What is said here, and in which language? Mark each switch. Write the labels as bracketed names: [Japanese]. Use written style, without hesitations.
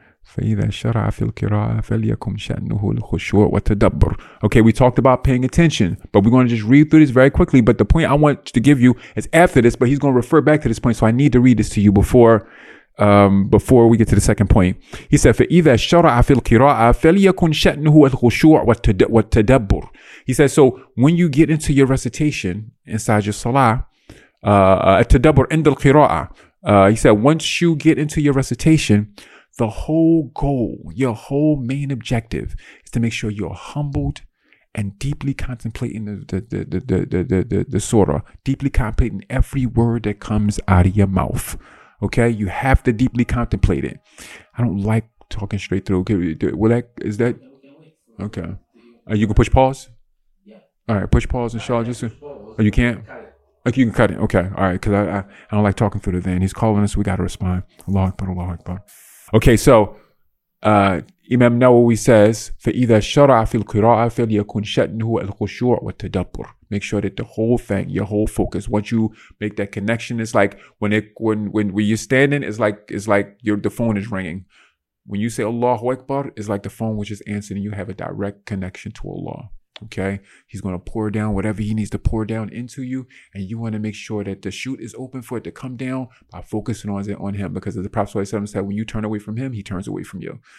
[Arabic] فَإِذَا شَرَعَ فِي الْكِرَاءَ فَلْيَكُمْ شَأْنُهُ الْخُشُوعُ وَتَدَبُّرُ. [English] Okay, we talked about paying attention, but we're going to just read through this very quickly. But the point I want to give you is after this, but he's going to refer back to this point, so I need to read this to you before we get to the second point. He said, [Arabic] فَإِذَا شَرَعَ فِي الْكِرَاءَ فَلْيَكُمْ شَأْنُهُ الْخُشُوعُ وَتَدَبُّرُ. [English] He says, so when you get into your recitation inside your salah, [Arabic] التدبر عند القراءة, [English] he said, once you get into your recitation, the whole goal, your whole main objective is to make sure you're humbled and deeply contemplating the surah, deeply contemplating every word that comes out of your mouth. Okay? You have to deeply contemplate it. I don't like talking straight through. Okay, is that okay? You can push pause? Yeah. All right, push pause and Shah, just oh, you can't? Like you can cut it. Okay. All right, because I don't like talking through the van. He's calling us, we gotta respond. [Arabic] Allahu Akbar, Allahu Akbar. [English] Okay, so Imam Nawawi says, [Arabic] فَإِذَا شَرَعَ فِي الْقِرَاءَ فَلْيَكُنْ شَأْنُهُ الْخُشُوعُ وَالتَّدَبُّرُ. [English] Make sure that the whole thing, your whole focus, once you make that connection, it's like when you're standing, it's like the phone is ringing. When you say Allahu Akbar, it's like the phone was just answered and you have a direct connection to Allah. Okay, he's going to pour down whatever he needs to pour down into you, and you want to make sure that the chute is open for it to come down by focusing on him, because as the Prophet ﷺ said, when you turn away from him, he turns away from you.